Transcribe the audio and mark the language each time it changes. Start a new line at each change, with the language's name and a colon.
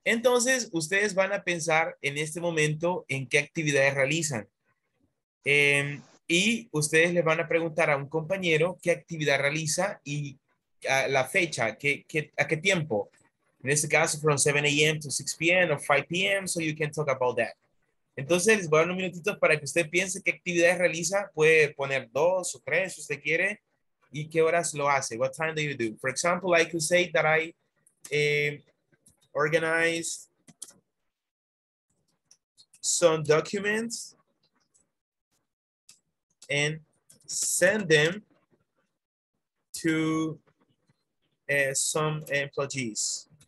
Spanish: Entonces, ustedes van a pensar en este momento en qué actividades realizan. Y ustedes les van a preguntar a un compañero qué actividad realiza y la fecha, a qué tiempo. En este caso,
English: from 7 a.m. to 6 p.m. or 5 p.m., so you can talk about that.
Spanish: Entonces, les voy a dar un minutito para que usted piense qué actividad realiza. Puede poner dos o tres, si usted quiere, y qué horas lo hace.
English: What time do you do? For example, I could say that I organized some documents and send them to some employees.